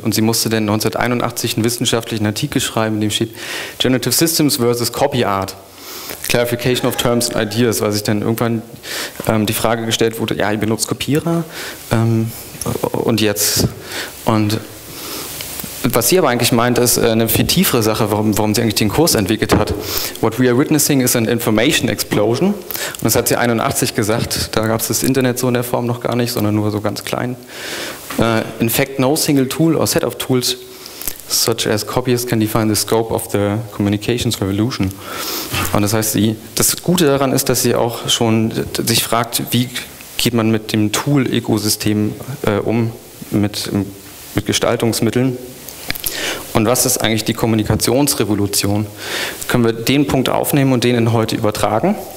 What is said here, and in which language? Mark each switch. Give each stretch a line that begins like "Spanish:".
German: Und sie musste dann 1981 einen wissenschaftlichen Artikel schreiben, in dem steht
English: Generative Systems versus Copy Art. Clarification of Terms and Ideas,
German: weil sich dann irgendwann die Frage gestellt wurde, ja, ihr benutzt Kopierer und jetzt. Und was sie aber eigentlich meint, ist eine viel tiefere Sache, warum sie eigentlich den Kurs entwickelt hat.
English: What we are witnessing is an information explosion.
German: Und das hat sie 81 gesagt, da gab es das Internet so in der Form noch gar nicht, sondern nur so ganz klein.
English: In fact, no single tool or set of tools such as copiers can define the scope of the communications revolution.
German: Und das heißt, das Gute daran ist, dass sie auch schon sich fragt, wie geht man mit dem Tool-Ökosystem um, mit Gestaltungsmitteln? Und was ist eigentlich die Kommunikationsrevolution? Können wir den Punkt aufnehmen und den in heute übertragen?